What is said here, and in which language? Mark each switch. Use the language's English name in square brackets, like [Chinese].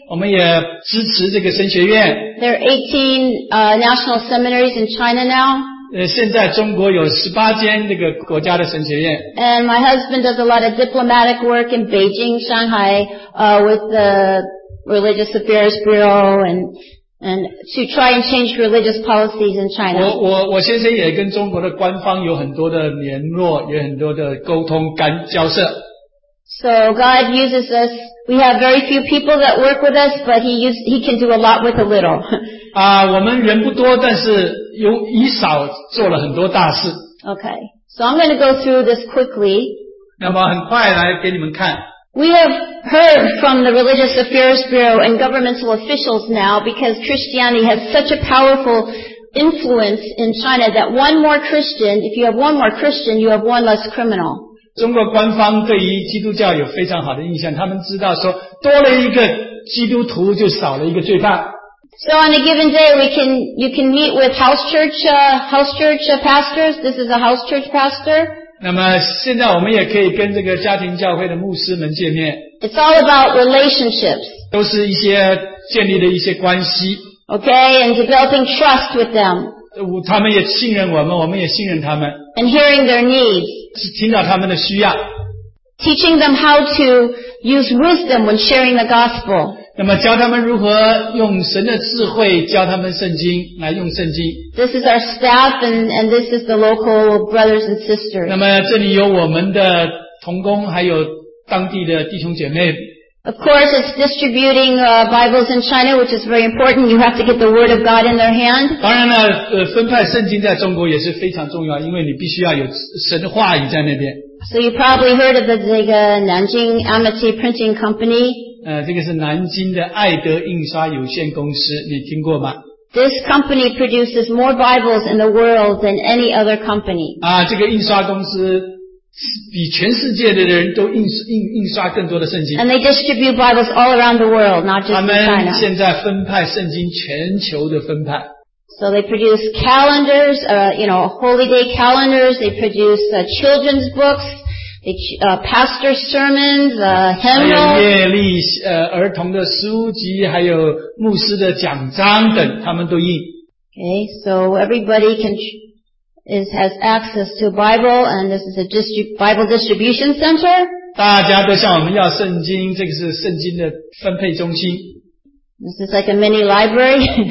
[Chinese] 我们也支持这个神学院。 [English] There are 18 national seminaries in China now. [Chinese] 现在中国有18间这个国家的神学院。 [English] And my husband does a lot of diplomatic work in Beijing, Shanghai, with the Religious Affairs Bureau and to try and change religious policies in China. [Chinese] 我先生也跟中国的官方有很多的联络，也很多的沟通跟交涉。 [English] So God uses us. We have very few people that work with us, but He can do a lot with a little. [Chinese] 我们人不多，但是有以少做了很多大事。 [English] Okay, so I'm going to go through this quickly. [Chinese] 那么很快来给你们看。 [English] We have heard from the Religious Affairs Bureau and governmental officials now because Christianity has such a powerful influence in China that one more Christian, if you have one more Christian, you have one less criminal. [Chinese] 中国官方对于基督教有非常好的印象，他们知道说多了一个基督徒就少了一个罪犯。 [English] So on a given day, you can meet with house church pastors. This is a house church pastor. [Chinese] 那么现在我们也可以跟这个家庭教会的牧师们见面。 [English] It's all about relationships. [Chinese] 都是一些建立的一些关系。 [English] Okay, and developing trust with them. [Chinese] 他们也信任我们，我们也信任他们。 [English] And hearing their needs. [Chinese] 是听到他们的需要。 [English] Teaching them how to use wisdom when sharing the gospel. [Chinese] 那么教他们如何用神的智慧教他们圣经，来用圣经。 [English] This is our staff and this is the local brothers and sisters. [Chinese] 那么这里有我们的同工，还有当地的弟兄姐妹。 [English] Of course, it's distributing Bibles in China, which is very important. You have to get the Word of God in their hand. [Chinese] 当然了，分派圣经在中国也是非常重要，因为你必须要有神的话语在那边。 [English] So you probably heard of the Nanjing Amity Printing Company. [Chinese] 这个是南京的爱德印刷有限公司，你听过吗？ [English] This company produces more Bibles in the world than any other company. [Chinese] 这个印刷公司比全世界的人都印刷更多的圣经。 [English] And they distribute Bibles all around the world, not just China. [Chinese] 他们现在分派圣经全球的分派。 [English] So they produce calendars, holy day calendars, they produce children's books, pastor sermons, hymnals. [Chinese] 还有月历儿童的书籍，还有牧师的奖章等，他们都印。 [English] Okay, so everybody has access to Bible, and this is a Bible distribution center. [Chinese] 大家都向我们要圣经，这个是圣经的分配中心。 [English] This is like a mini library.